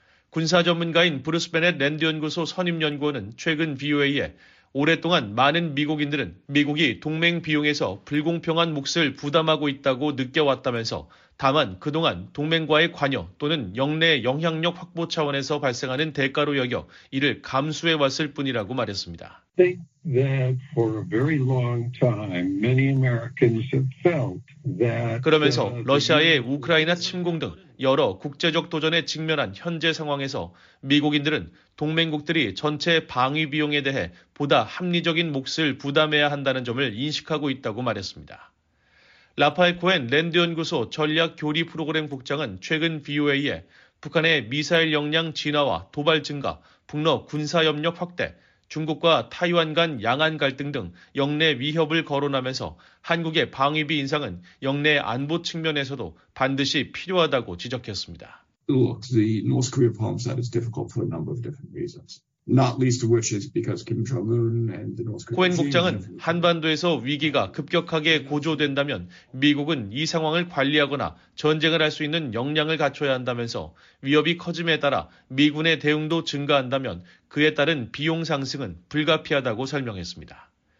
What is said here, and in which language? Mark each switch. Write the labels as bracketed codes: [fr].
[ko] 군사 전문가인 브루스 베넷 랜드연구소 선임연구원은 최근 VOA에 오랫동안 많은 미국인들은 미국이 동맹 비용에서 불공평한 몫을 부담하고 있다고 느껴왔다면서 다만 그동안 동맹과의 관여 또는 역내 영향력 확보 차원에서 발생하는 대가로 여겨 이를 감수해 왔을 뿐이라고 말했습니다. [en] Think that for a very long time, many Americans have felt that. [ko] 그러면서 러시아의 우크라이나 침공 등 여러 국제적 도전에 직면한 현재 상황에서 미국인들은 동맹국들이 전체 방위 비용에 대해 보다 합리적인 몫을 부담해야 한다는 점을 인식하고 있다고 말했습니다. 라파엘 코엔 랜드연구소 전략교리 프로그램 국장은 최근 VOA에 북한의 미사일 역량 진화와 도발 증가, 북러 군사협력 확대, 중국과 타이완 간 양안 갈등 등 역내 위협을 거론하면서 한국의 방위비 인상은 역내 안보 측면에서도 반드시 필요하다고 지적했습니다. [en] Look, the North Korea problem set is difficult for a number of different reasons. Not least of which is because Kim Jong-un and the North Korea. [ko] 코엔 국장은 한반도에서 위기가 급격하게 고조된다면 미국은 이 상황을 관리하거나 전쟁을 할 수 있는 역량을 갖춰야 한다면서 위협이 커짐에 따라 미군의 대응도 증가한다면 그에 따른 비용 상승은 불가피하다고 설명했습니다.